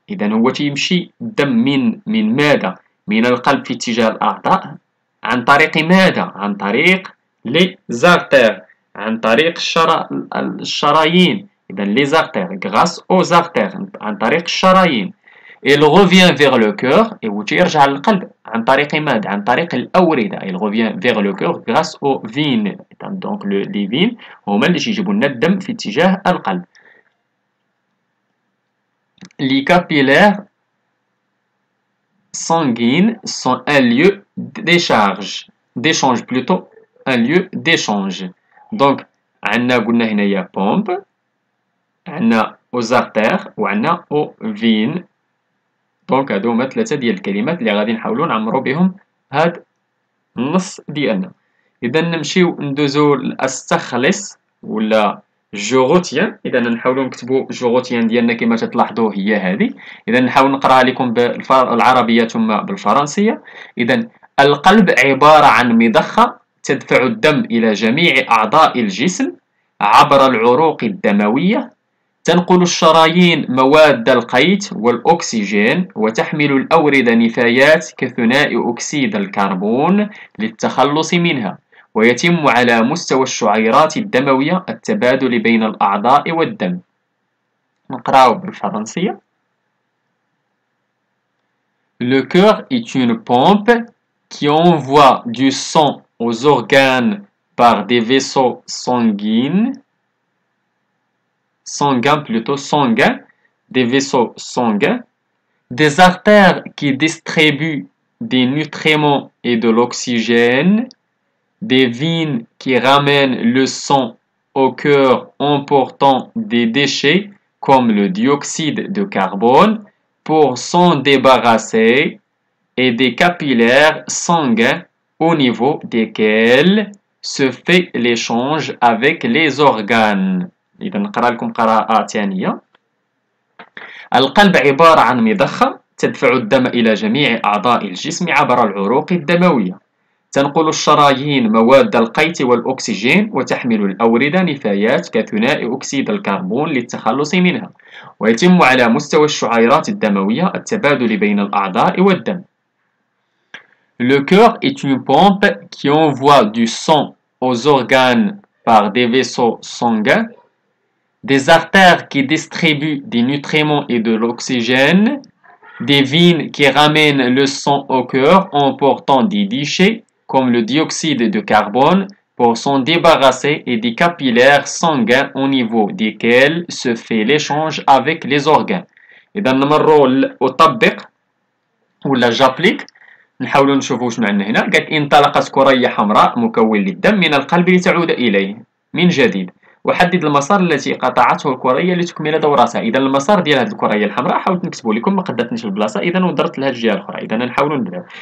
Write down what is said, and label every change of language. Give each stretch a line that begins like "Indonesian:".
Arabic: اذا هو تيمشي الدم من ماذا؟ من القلب في اتجاه الاعضاء. عن طريق ماذا؟ عن طريق
French: لي زارتير،
Arabic: عن طريق الشرايين. اذا
French: لي زارتير غراس او زارتير،
Arabic: عن طريق الشرايين.
French: Il revient vers le cœur et où tu y rejoins le cœur
Arabic: عن طريق ماذا؟ عن طريق الأوردة.
French: il revient vers le cœur grâce aux veines. donc les veines
Arabic: هما اللي يجيبوا لنا الدم في اتجاه القلب.
French: les capillaires sanguines sont un lieu d'échange d'échange plutôt un lieu d'échange.
Arabic: donc عندنا قلنا هنا يا بومب، عندنا
French: aux artères
Arabic: وعندنا
French: aux veines.
Arabic: دونك هادو هما ثلاثة ديال الكلمات اللي غادي نحاولو نعمرو بهم هاد النص ديالنا. إذا نمشيو ندوزو لأستخلص ولا جوغوتيان. إذا نحاولو نكتبو جوغوتيان ديالنا كما تلاحظو هي هادي. إذا نحاول نقرا لكم بالعربية ثم بالفرنسية. إذا القلب عبارة عن مضخة تدفع الدم إلى جميع أعضاء الجسم عبر العروق الدموية، تنقل الشرايين مواد القيت والأكسجين، وتحمل الأوردة نفايات كثنائي أكسيد الكربون للتخلص منها، ويتم على مستوى الشعيرات الدموية التبادل بين الأعضاء والدم. نقرأه بالفرنسية.
French: Le cœur est une pompe qui envoie du sang aux organes par des vaisseaux sanguins. Sanguins plutôt, sanguins, des vaisseaux sanguins, des artères qui distribuent des nutriments et de l'oxygène, des veines qui ramènent le sang au cœur en portant des déchets comme le dioxyde de carbone pour s'en débarrasser, et des capillaires sanguins au niveau desquels se fait l'échange avec les organes.
Arabic: إذا نقرأ لكم قراءة ثانية. القلب عبارة عن مضخة تدفع الدم إلى جميع أعضاء الجسم عبر العروق الدموية، تنقل الشرايين مواد القيت والأكسجين، وتحمل الأوردة نفايات كثنائي أكسيد الكربون للتخلص منها، ويتم على مستوى الشعيرات الدموية التبادل بين الأعضاء والدم.
French: Le cœur est une pompe qui envoie du sang aux organes par des vaisseaux sanguins. Des artères qui distribuent des nutriments et de l'oxygène, des veines qui ramènent le sang au cœur en portant des déchets comme le dioxyde de carbone pour s'en débarrasser, et des capillaires sanguins au niveau desquels se fait l'échange avec les organes.
Arabic: اذا نمروا وطبق ولا جابليك نحاولوا نشوفوا واش معنا هنا. قالت انطلقت كريه حمراء مكون للدم من القلب لتعود اليه من جديد، وحدد المسار التي قطعته الكريه لتكمل دورتها. اذا المسار ديال هذه الكريه الحمراء حاولت نكتبه لكم ما قدرتش البلاصه، اذا ودرت لها الجهه الاخرى. اذا نحاولوا نبداو.